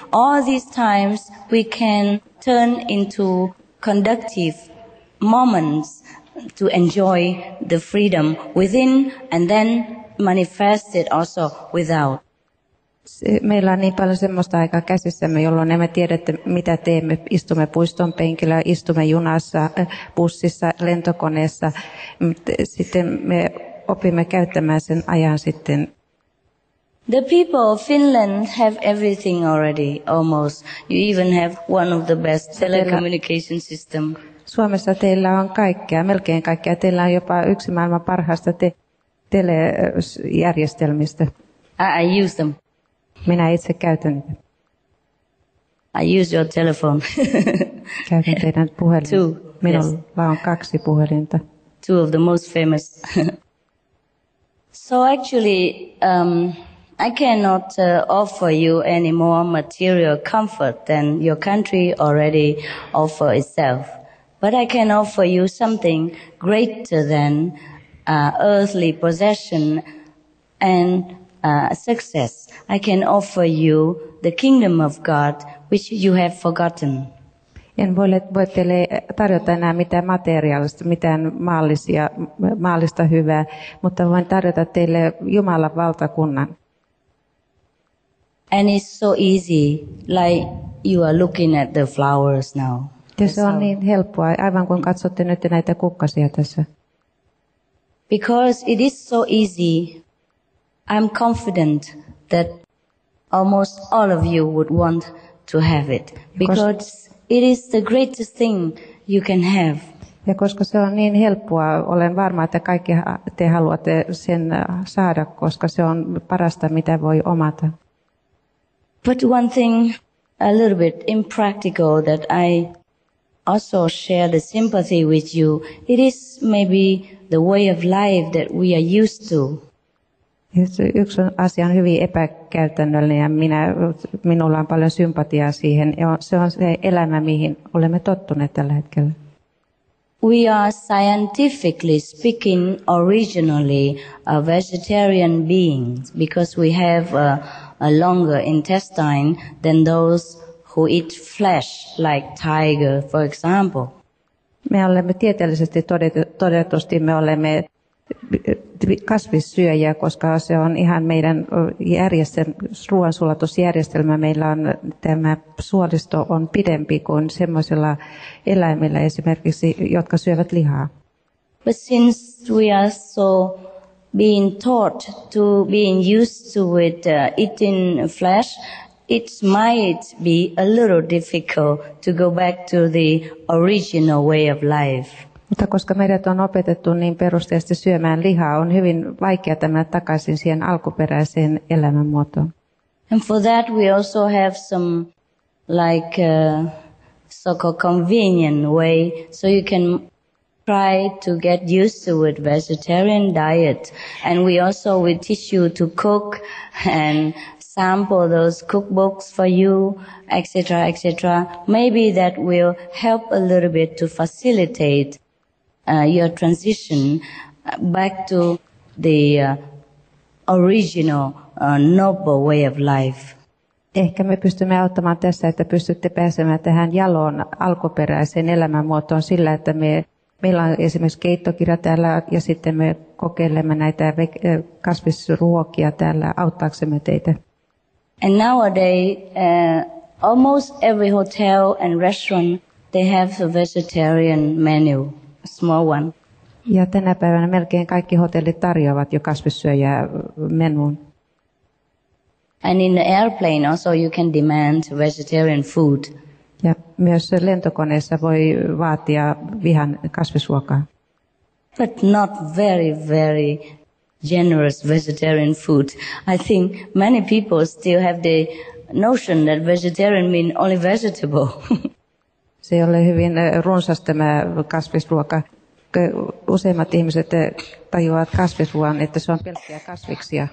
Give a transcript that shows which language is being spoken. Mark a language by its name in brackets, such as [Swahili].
[English] All these times we can turn into conductive moments to enjoy the freedom within and then manifest it also without. [Finnish] Meillä on niin paljon semmoista aikaa käsissämme, jolloin emme tiedä, mitä teemme. Istumme puiston penkillä, istumme junassa, bussissa, lentokoneessa. Sitten me opimme käyttämään sen ajan sitten. [English] The people of Finland have everything already, almost. You even have one of the best telecommunication system. [Finnish] Suomessa teillä on kaikkea, melkein kaikkea. Teillä on jopa yksi maailman parhaista telejärjestelmistä. [English] I use them. [Finnish] Minä itse käytän niitä. [English] I use your telephone. [Finnish] Käytän teidän puhelinta. [English] Two, [Finnish] minulla [English] yes. [Finnish] on kaksi puhelinta. [English] Two of the most famous. So actually, I cannot offer you any more material comfort than your country already offer itself. But I can offer you something greater than earthly possession and success. I can offer you the kingdom of God, which you have forgotten. [Finnish] En voi teille tarjota enää mitään materiaalista, mitään maallista hyvää, mutta voin tarjota teille Jumalan valtakunnan. [English] And it's so easy, like you are looking at the flowers now. [Finnish] Ja se on niin helppoa, aivan kuin katsotte nyt näitä kukkasia tässä. [English] Because it is so easy, I'm confident that almost all of you would want to have it. Because it is the greatest thing you can have. [Finnish] Ja koska se on niin helppoa, olen varma, että kaikki te haluatte sen saada, koska se on parasta, mitä voi omata. [English] But one thing a little bit impractical that I also share the sympathy with you, it is maybe the way of life that we are used to. [Finnish] Yksi asia on hyvin epäkäytännöllinen ja minulla on paljon sympatiaa siihen. Se on se elämä, mihin olemme tottuneet tällä hetkellä. [English] We are scientifically speaking originally a vegetarian being because we have a longer intestine than those who eat flesh, like tiger, for example. [Finnish] Me olemme tieteellisesti todetusti me olemme kasvissyöjiä, koska se on ihan meidän ruoansulatusjärjestelmä. Meillä on tämä suolisto on pidempi kuin semmoisilla eläimillä esimerkiksi, jotka syövät lihaa. [English] But since we are so being taught to being used to it, eating flesh, it might be a little difficult to go back to the original way of life. [Finnish] Mutta koska meidät on opetettu niin perusteisesti syömään lihaa, on hyvin vaikeaa mennä takaisin siihen alkuperäiseen elämänmuotoon. [English] And for that we also have some like so-called convenient way, so you can try to get used to a vegetarian diet. And we also will teach you to cook and sample those cookbooks for you, etc., etc. Maybe that will help a little bit to facilitate your transition back to the original noble way of life. [Finnish] Ehkä me pystymme auttamaan tässä, että pystytte pääsemään tähän jaloon alkuperäiseen elämänmuotoon sillä, että meillä on esimerkiksi keittokirja täällä ja sitten me kokeilemme näitä kasvisruokia täällä auttaaksemme teitä. [English] And nowadays almost every hotel and restaurant they have a vegetarian menu. Small one. [Finnish] Ja tänä päivänä melkein kaikki hotellit tarjoavat jo kasvissyöjää menuun. [English] And in the airplane also you can demand vegetarian food. [Finnish] Ja myös lentokoneessa voi vaatia vihan kasvisruokaa. [English] But not very, very generous vegetarian food. I think many people still have the notion that vegetarian means only vegetable. [Finnish] Se ei ole hyvin runsas tämä kasvisruoka. Useimmat ihmiset tajuavat kasvisruoan, että se on pelkkiä kasviksia.